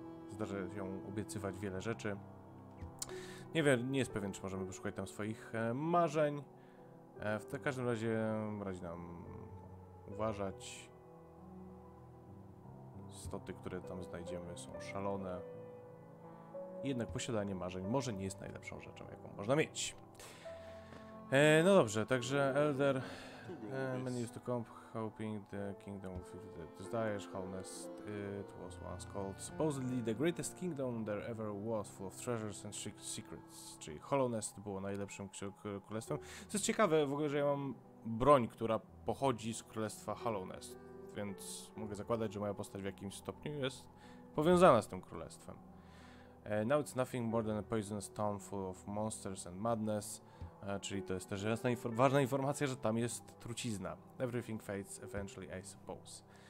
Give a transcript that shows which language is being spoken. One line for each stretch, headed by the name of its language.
Polish: Zdarza się obiecywać wiele rzeczy. Nie wiem, nie jest pewien, czy możemy poszukać tam swoich marzeń. W każdym razie radzi nam uważać. Istoty, które tam znajdziemy, są szalone. Jednak posiadanie marzeń może nie jest najlepszą rzeczą, jaką można mieć. No dobrze, także Elder,
English: many used to come hoping the kingdom with the desires, honest it was once called. Supposedly the greatest kingdom there ever was, full of treasures and secrets.
Polish: Czyli Hollownest było najlepszym królestwem. Co jest ciekawe w ogóle, że ja mam broń, która pochodzi z królestwa Hollownest, więc mogę zakładać, że moja postać w jakimś stopniu jest powiązana z tym królestwem.
English: Now it's nothing more than a poisonous town full of monsters and madness.
Polish: Czyli to jest też jasna ważna informacja, że tam jest trucizna.
English: Everything fades eventually, I suppose.